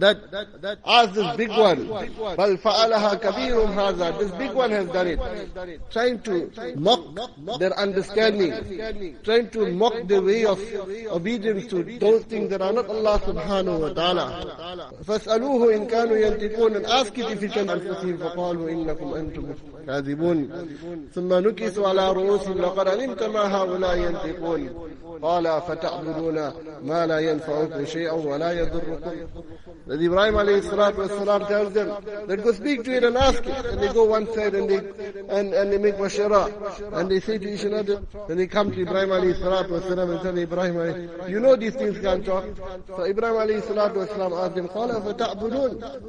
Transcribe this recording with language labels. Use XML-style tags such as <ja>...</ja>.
<en>That ask this big one. بَلْ فَعَلَهَا كَبِيرُهُمْ هَذَا. This big one has done it. Trying to mock their understanding. Trying to mock the way of obedience to those things that are not Allah subhanahu wa ta'ala. فَسَلُوهُ إِنْ كَانُوا يَنْتِقُونَ. And ask it if it can.</en> <ar>فقالوا إنكم أنتم كاذبون. ثم نكسوا على رؤوسهم لقد علمت ما هؤلاء ينطقون. قال فتعبدون ما لا ينفعكم شيئا ولا يضركم.</ar> <en>That Ibrahim alayhi salatu wasalam tells them, then go speak to it and ask it. And they go one side and they make mashara. And they say to each other, then they come to Ibrahim alayhi salatu wasalam and tell Ibrahim, you know these things can't talk. So Ibrahim alayhi salatu wasalam asked them, قَالَ فَتَعْبُدُونَ.</en>